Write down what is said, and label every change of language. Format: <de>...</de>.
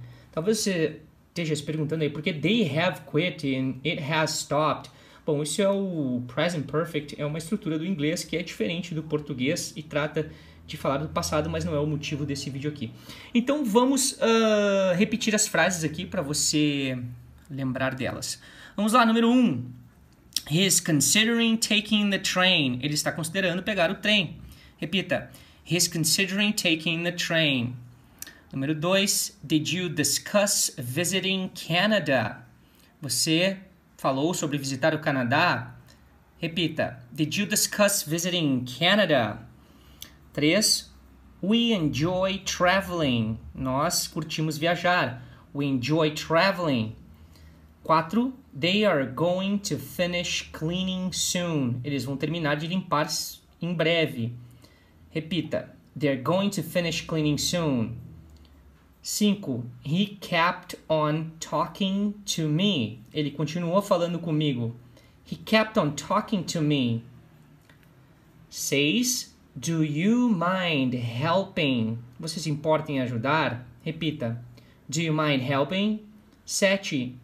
<pt>Talvez você esteja se perguntando aí, porque</pt> <en>they have quit and it has stopped.</en> <pt>Bom, isso é o present perfect, é uma estrutura do inglês que é diferente do português e trata de falar do passado, mas não é o motivo desse vídeo aqui. Então, vamos repetir as frases aqui para você lembrar delas. Vamos lá, número 1.</pt> <en>He is considering taking the train.</en> <pt>Ele está considerando pegar o trem. Repita.</pt> <en>He is considering taking the train.</en> <pt>Número 2.</pt> <en>Did you discuss visiting Canada?</en> <pt>Você falou sobre visitar o Canadá? Repita.</pt> <en>Did you discuss visiting Canada? 3. We enjoy traveling.</en> <pt>Nós curtimos viajar.</pt> <en>We enjoy traveling. 4. They are going to finish cleaning soon.</en> <pt>Eles vão terminar de limpar em breve. Repita.</pt> <en>They're going to finish cleaning soon. 5. He kept on talking to me.</en> <pt>Ele continuou falando comigo.</pt> <en>He kept on talking to me. 6. Do you mind helping?</en> <pt>Você se importa em ajudar? Repita.</pt> <en>Do you mind helping? 7.</en>